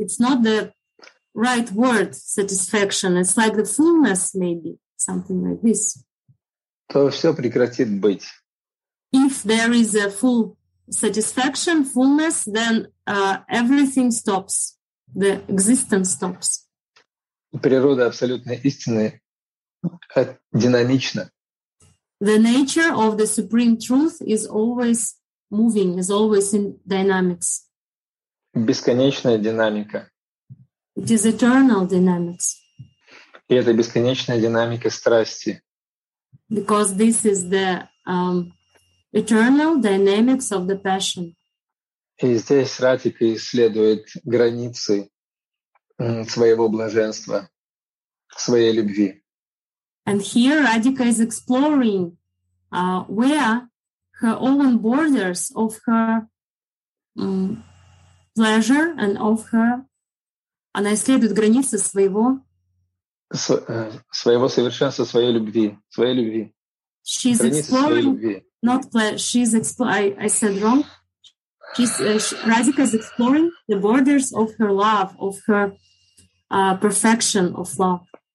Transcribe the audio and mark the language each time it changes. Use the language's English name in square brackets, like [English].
[English] It's not the right word, satisfaction. It's like the fullness, maybe, something like this. [Russian] То все прекратит быть. [English] If there is a full satisfaction, fullness, then everything stops. The existence stops. [Russian] Природа абсолютной истины динамична. [English] The nature of the supreme truth is always moving, is always in dynamics. [Russian] Бесконечная динамика. [English] It is eternal dynamics. [Russian] И это бесконечная динамика страсти. [English] Because this is the eternal dynamics of the passion. [Russian] И здесь Ратика исследует границы своего блаженства, своей любви. [English] And here Radhika is exploring where her own borders of her pleasure and of her... [Russian] Она исследует границы своего... Своего совершенства, своей любви. Своей любви. [English] She's exploring... Not pleasure. She's exploring... I said wrong. Radhika is exploring the borders of her love, of her perfection of love.